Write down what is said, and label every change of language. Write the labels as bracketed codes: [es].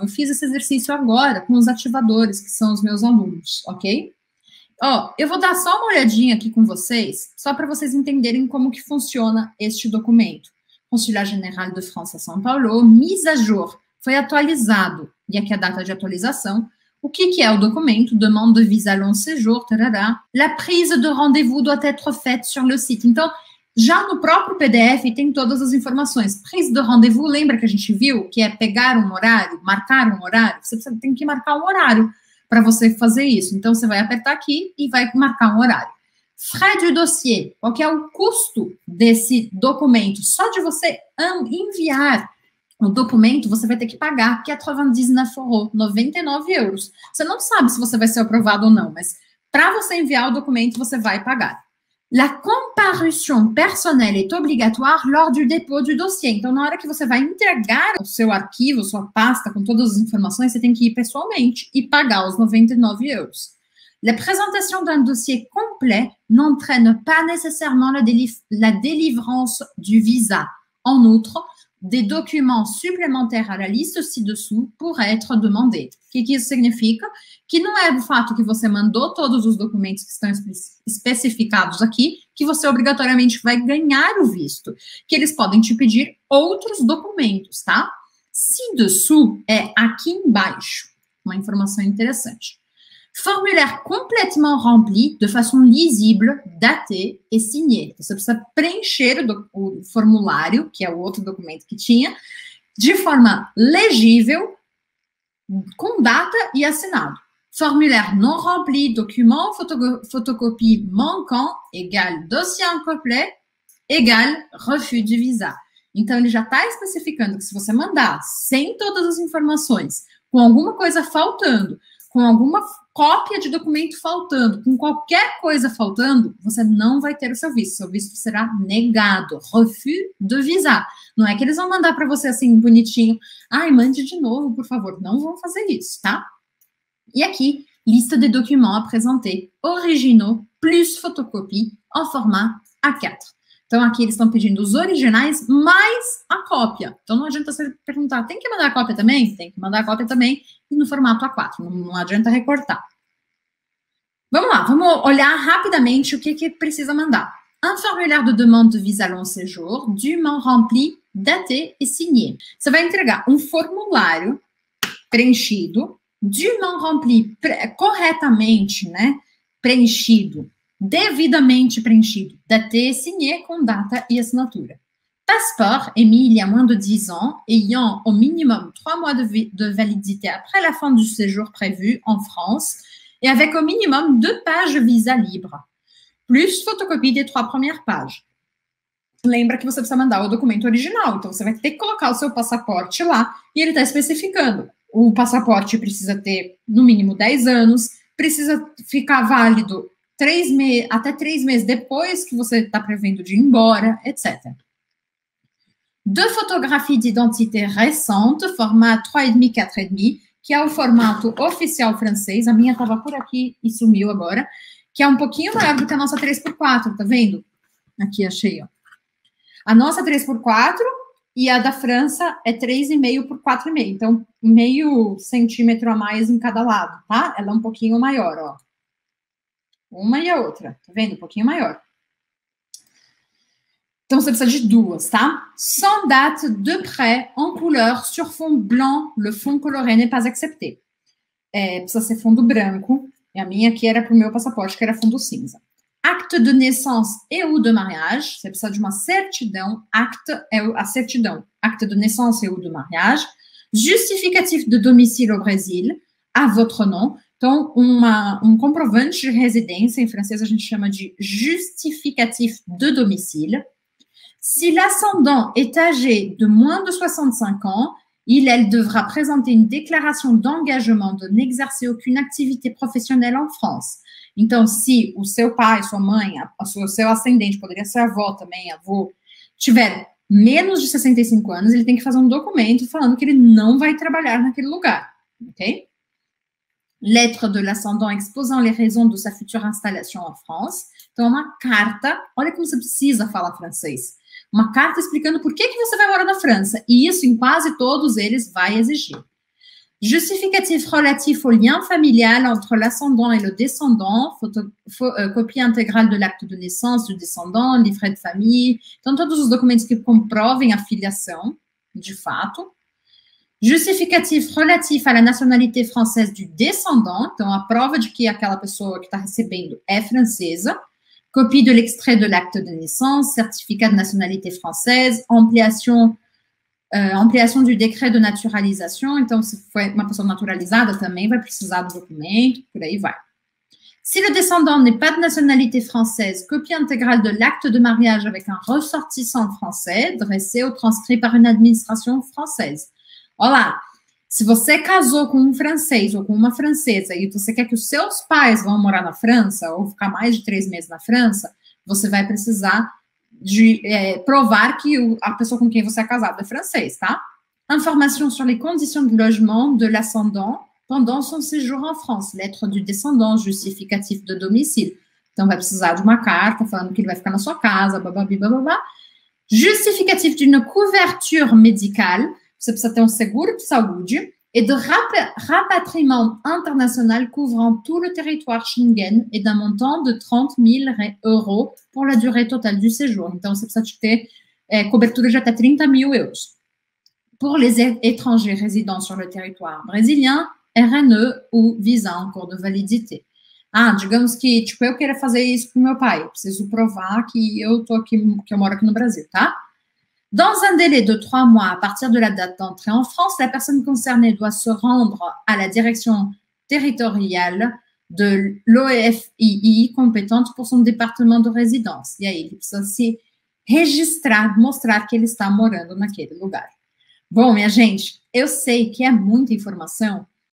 [pt] Eu fiz esse exercício agora com os ativadores, que são os meus alunos, ok? Ó, eu vou dar só uma olhadinha aqui com vocês, só para vocês entenderem como que funciona este documento. [fr] Consulat général de France à São Paulo, mise à jour, [pt] foi atualizado. E aqui a data de atualização. O que, que é o documento? [fr] Demande de visa long séjour, [pt] tarará. [fr] La prise de rendez-vous doit être faite sur le site. [pt] Então, já no próprio PDF tem todas as informações. [fr] Prise de rendez-vous, [pt] lembra que a gente viu que é pegar um horário, marcar um horário? Você tem que marcar um horário para você fazer isso. Então, você vai apertar aqui e vai marcar um horário. [fr] Frais du dossier, [pt] qual que é o custo desse documento? Só de você enviar o documento, você vai ter que pagar 99 euros. Você não sabe se você vai ser aprovado ou não, mas para você enviar o documento, você vai pagar. [fr] La comparution personnelle est obligatoire lors du dépôt du dossier. [pt] Então, na hora que você vai entregar o seu arquivo, sua pasta com todas as informações, você tem que ir pessoalmente e pagar os 99 euros. [fr] La présentation d'un dossier complet n'entraîne pas nécessairement la délivrance du visa. En outre, des documents supplémentaires à la liste ci-dessous pourraient être demandés. [pt] O que isso significa? Que não é o fato que você mandou todos os documentos que estão especificados aqui que você obrigatoriamente vai ganhar o visto. Que eles podem te pedir outros documentos, tá? Ci-dessous é aqui embaixo. Uma informação interessante. [fr] Formulaire complètement rempli de façon lisible, daté et signé. [pt] Você precisa preencher o formulário, que é o outro documento que tinha, de forma legível, com data e assinado. [fr] Formulaire non rempli, document, photocopie manquant, égal dossier incomplet, égal refus de visa. [pt] Então, ele já está especificando que se você mandar sem todas as informações, com alguma coisa faltando, com alguma cópia de documento faltando, com qualquer coisa faltando, você não vai ter o seu visto. Seu visto será negado. [fr] Refus de visa. [pt] Não é que eles vão mandar para você assim, bonitinho. Ai, mande de novo, por favor. Não vão fazer isso, tá? E aqui, lista de documentos apresentés. [fr] Originaux plus photocopie en format A4. [pt] Então, aqui eles estão pedindo os originais mais a cópia. Então, não adianta você perguntar, tem que mandar a cópia também? Tem que mandar a cópia também e no formato A4. Não adianta recortar. Vamos lá, vamos olhar rapidamente o que precisa mandar. [fr] Un formulaire de demande de visa long séjour, dûment rempli, daté e signé. [pt] Você vai entregar um formulário preenchido, [fr] dûment rempli, [pt] corretamente, né, preenchido, devidamente preenchido, [fr] daté e signé, [pt] com data e assinatura. [fr] Passeport émis il y a moins de 10 ans, ayant au minimum 3 mois de validité après la fin du séjour prévu en France, et avec au minimum 2 pages visa libre, plus photocopie des 3 premières pages. [pt] Lembra que você precisa mandar o documento original, então você vai ter que colocar o seu passaporte lá, e ele está especificando. O passaporte precisa ter no mínimo 10 anos, precisa ficar válido até 3 meses depois que você está prevendo de ir embora, etc. [fr] Deux photographies d'identité récentes, format 3,5-4,5, [pt] que é o formato oficial francês. A minha estava por aqui e sumiu agora. Que é um pouquinho maior do que a nossa 3x4, tá vendo? Aqui, achei, ó. A nossa 3x4 e a da França é 3,5x4,5. Então, meio centímetro a mais em cada lado, tá? Ela é um pouquinho maior, ó. Uma e a outra, tá vendo? Um pouquinho maior. Então, você precisa de duas, tá? [fr] Sans date de prêt en couleur sur fond blanc, le fond coloré n'est pas accepté. [pt] É, precisa ser fundo branco. E a minha aqui era para o meu passaporte, que era fundo cinza. [fr] Acte de naissance et ou de mariage. [pt] Você precisa de uma certidão. Acte é a certidão. [fr] Acte de naissance et ou de mariage. Justificatif de domicile au Brésil. À votre nom. [pt] Então, um comprovante de residência. Em francês, a gente chama de justificatif de domicile. [fr] Si l'ascendant est âgé de moins de 65 ans, il devra présenter une déclaration d'engagement de n'exercer aucune activité professionnelle en France. [pt] Então, se o seu pai, sua mãe, seu ascendente, poderia ser avó também, avô, tiver menos de 65 anos, ele tem que fazer um documento falando que ele não vai trabalhar naquele lugar, ok? [fr] Lettre de l'ascendant exposant les raisons de sa future installation en France. [pt] Então, uma carta, olha como você precisa falar francês. Uma carta explicando por que que você vai morar na França. E isso, em quase todos eles, vai exigir. [fr] Justificatif relatif au lien familial entre l'ascendant et le descendant. Copie intégrale de l'acte de naissance du descendant, livret de famille. [pt] Então, todos os documentos que comprovem a filiação, de fato. [fr] Justificatif relatif à la nationalité française du descendant. [pt] Então, a prova de que aquela pessoa que está recebendo é francesa. [fr] Copie de l'extrait de l'acte de naissance, certificat de nationalité française, ampliation du décret de naturalisation. [pt] Então, se foi uma pessoa naturalizada, também vai precisar do documento, por aí vai. [fr] Si le descendant n'est pas de nationalité française, copie intégrale de l'acte de mariage avec un ressortissant français, dressé ou transcrit par une administration française. [pt] Olá! Se você casou com um francês ou com uma francesa e você quer que os seus pais vão morar na França ou ficar mais de 3 meses na França, você vai precisar de provar que a pessoa com quem você é casado é francês, tá? [fr] Information sur les conditions de logement de l'ascendant pendant son séjour en France. Lettre du descendant justificatif de domicile. [pt] Então, vai precisar de uma carta falando que ele vai ficar na sua casa, blá, blá, blá, blá, blá. [fr] justificativo de uma couverture médicale, [pt] você precisa ter um seguro de saúde, [fr] e de rapatriement international couvrant tout le territoire Schengen et d'un montant de 30 000 euros pour la durée totale du séjour. [pt] Então, você precisa ter cobertura de até 30 mil euros. [fr] Pour les étrangers résidant sur le territoire brésilien, RNE ou visa en cours de validité. [pt] Ah, digamos que, tipo, eu queira fazer isso pro meu pai. Eu preciso provar que eu tô aqui, que eu moro aqui no Brasil, tá? [fr] Dans un délai de 3 mois à partir de la date d'entrée en France, la personne concernée doit se rendre à la direction territoriale de l'OFII compétente pour son département de résidence. [pt] E aí, ele precisa se registrar, mostrar que ele está morando naquele lugar. Bom, minha gente, eu sei que é muita informação,